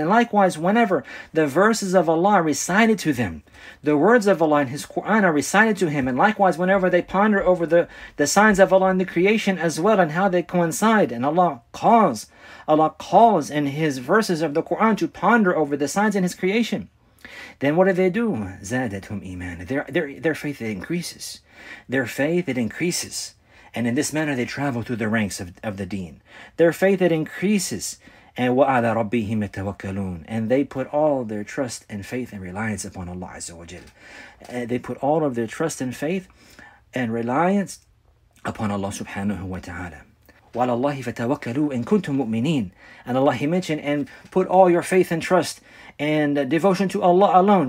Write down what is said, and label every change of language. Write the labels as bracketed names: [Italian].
[English] And likewise, whenever the verses of Allah are recited to them, the words of Allah in His Quran are recited to him, and likewise, whenever they ponder over the signs of Allah in the creation as well and how they coincide, and Allah calls in His verses of the Quran to ponder over the signs in His creation, then what do they do? [Arabic] زَادَتْهُمْ إِيمَانًا. [English] Their faith increases. Their faith, it increases. And in this manner, they travel through the ranks of the deen. Their faith, it increases. And [Arabic] وَعَلَى رَبِّهِمْ يَتَوَكَّلُونَ. [English] And they put all their trust and faith and reliance upon Allah Azza wa Jal. They put all of their trust and faith and reliance upon Allah subhanahu wa ta'ala. [Arabic] وَعَلَى اللَّهِ فَتَوَكَّلُوا إِن كُنْتُم مُؤْمِنِينَ. [English] And Allah, He mentioned, and put all your faith and trust and devotion to Allah alone.